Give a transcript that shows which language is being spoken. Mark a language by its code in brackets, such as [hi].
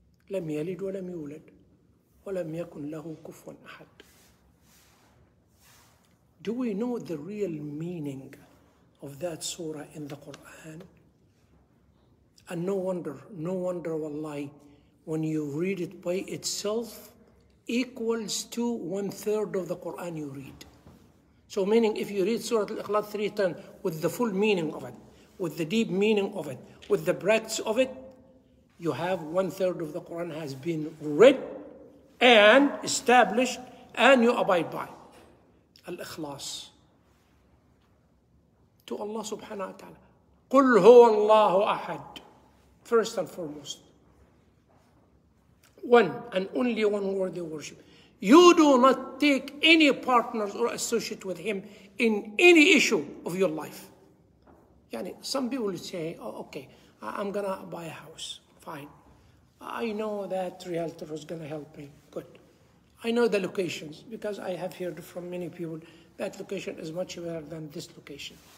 [ar] لم يلد ولم يولد ولم يكن له كفوا أحد. [en] Do we know the real meaning of that surah in the Quran? And no wonder, no wonder wallahi, when you read it by itself equals to one third of the Quran you read. So meaning if you read Surah Al-Ikhlas 3 times with the full meaning of it, with the deep meaning of it, with the breadth of it, you have one third of the Quran has been read and established and you abide by it. الإخلاص to Allah subhanahu wa ta'ala. [ar] قل هو الله أحد [en] first and foremost. One and only one worthy worship. You do not take any partners or associate with him in any issue of your life. Yani some people say, oh, okay, I'm going to buy a house. Fine. I know that realtor is going to help me. Good. I know the locations because I have heard from many people that location is much better than this location.